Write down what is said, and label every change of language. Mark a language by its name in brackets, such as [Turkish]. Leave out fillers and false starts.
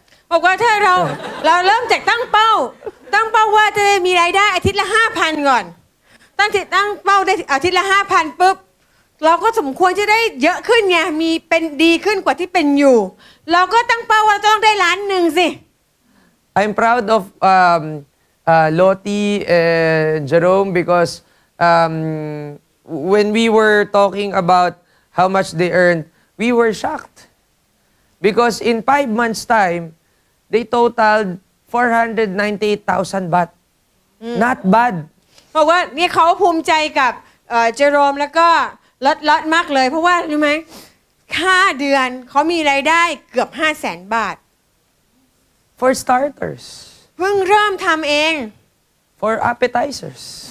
[Thai] บอกว่าถ้าเราเริ่มจากตั้งเป้าว่าจะมีรายได้อาทิตย์ละ 5,000 ก่อนตั้งเป้าได้อาทิตย์ละ 5,000 ปุ๊บเราก็สมควรจะได้เยอะขึ้นไงมีเป็นดีขึ้นกว่าที่เป็นอยู่เราก็ตั้งเป้าว่าต้องได้ล้านหนึ่งสิ [English] I'm proud of Loti and Jerome because when we were talking about how much they earned we were shocked because in 5 months time they totaled 498,000 baht not bad [Thai] บอกว่านี่เขาภูมิใจกับเจอร์มแล้วก็ลดมากเลยเพราะว่ารู้ไหมค่าเดือนเขามีรายได้เกือบ 500,000 บาท [English] For starters [Thai] เพิ่งเริ่มทำเอง [English] For appetizers